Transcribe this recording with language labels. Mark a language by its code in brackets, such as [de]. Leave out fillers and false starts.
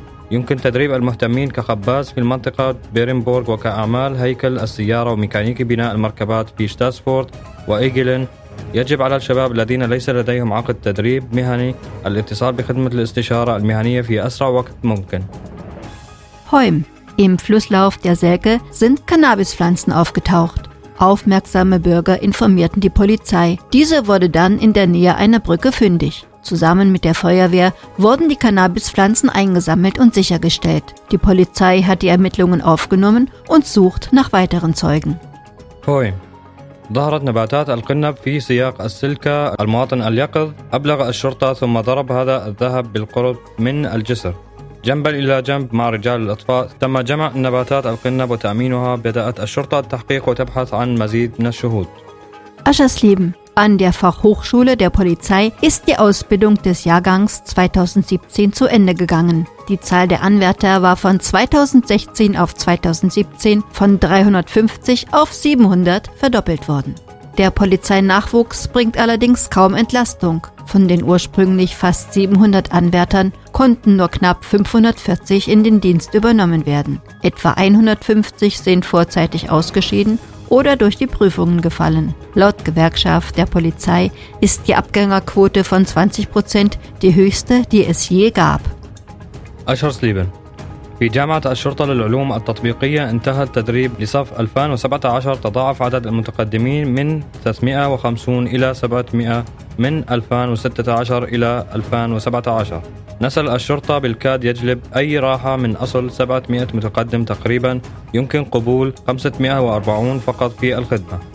[ar] يمكن تدريب المهتمين كخباز في المنطقة بيرنبورغ وكأعمال هيكل السيارة وميكانيكي بناء المركبات في شتاسفورد وإيجلين. يجب على الشباب الذين ليس لديهم عقد تدريب مهني الاتصال بخدمة الاستشارة المهنية في أسرع وقت ممكن. هويم. [de] Im Flusslauf der Säge sind Cannabispflanzen aufgetaucht. Aufmerksame Bürger informierten die Polizei. Diese wurde dann in der Nähe einer Brücke fündig. Zusammen mit der Feuerwehr wurden die Cannabispflanzen eingesammelt und sichergestellt. Die Polizei hat die Ermittlungen aufgenommen und sucht nach weiteren Zeugen. Hoi. [ar] ظهرت نباتات القنب في سياق السلكة المواطن اليقظ أبلغ الشرطة ثم ضرب هذا الذهب بالقرب من الجسر جنبا إلى جنب مع رجال الأطفاء تم جمع نباتات القنب وتأمينها بدأت الشرطة التحقيق وتبحث عن مزيد من الشهود. [de] Aschersleben. An der Fachhochschule der Polizei ist die Ausbildung des Jahrgangs 2017 zu Ende gegangen. Die Zahl der Anwärter war von 2016 auf 2017 von 350 auf 700 verdoppelt worden. Der Polizeinachwuchs bringt allerdings kaum Entlastung. Von den ursprünglich fast 700 Anwärtern konnten nur knapp 540 in den Dienst übernommen werden. Etwa 150 sind vorzeitig ausgeschieden oder durch die Prüfungen gefallen. Laut Gewerkschaft der Polizei ist die Abgängerquote von 20% die höchste, die es je gab. Aschersleben. [ar] في جامعة الشرطة للعلوم التطبيقية انتهى التدريب لصف 2017 تضاعف عدد المتقدمين من 350 إلى 700 من 2016 إلى 2017. نسل الشرطة بالكاد يجلب أي راحة من أصل 700 متقدم تقريبا يمكن قبول 540 فقط في الخدمة.